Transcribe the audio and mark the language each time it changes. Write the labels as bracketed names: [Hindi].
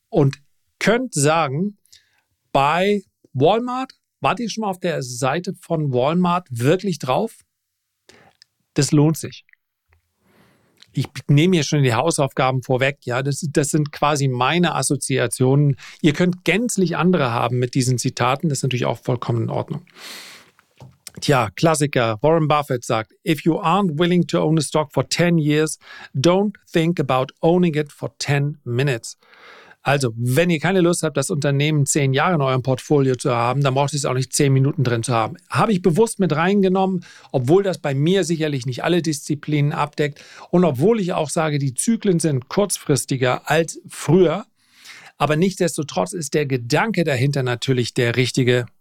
[German] Und könnt sagen, bei Walmart, wart ihr schon mal auf der Seite von Walmart wirklich drauf? Das lohnt sich. Ich nehme hier schon die Hausaufgaben vorweg. Ja, das sind quasi meine Assoziationen. Ihr könnt gänzlich andere haben mit diesen Zitaten. Das ist natürlich auch vollkommen in Ordnung. Tja, Klassiker. Warren Buffett sagt, [English] if you aren't willing to own a stock for 10 years, don't think about owning it for 10 minutes. [German] Also, wenn ihr keine Lust habt, das Unternehmen 10 Jahre in eurem Portfolio zu haben, dann braucht ihr es auch nicht 10 Minuten drin zu haben. Habe ich bewusst mit reingenommen, obwohl das bei mir sicherlich nicht alle Disziplinen abdeckt und obwohl ich auch sage, die Zyklen sind kurzfristiger als früher, aber nichtsdestotrotz ist der Gedanke dahinter natürlich der richtige.